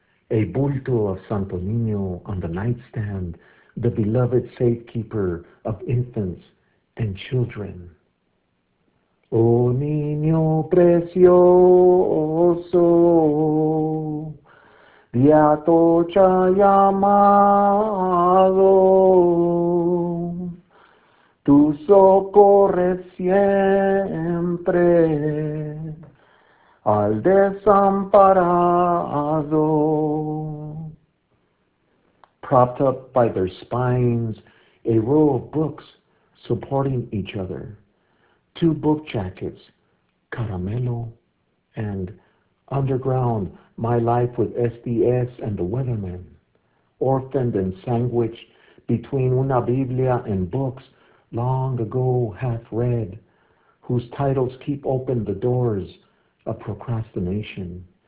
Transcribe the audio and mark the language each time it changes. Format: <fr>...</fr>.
<en>A bulto of Santo Nino on the nightstand, the beloved safe keeper of infants and children.</en> <es>O niño precioso, de Atocha llamado, tú socorres siempre al desamparado.</es> <en>Propped up by their spines, a row of books supporting each other, two book jackets, Caramelo, and Underground, My Life with SDS and the Weathermen, orphaned and sandwiched between</en> <es>una Biblia</es> <en>and books long ago half read, whose titles keep open the doors of procrastination,</en>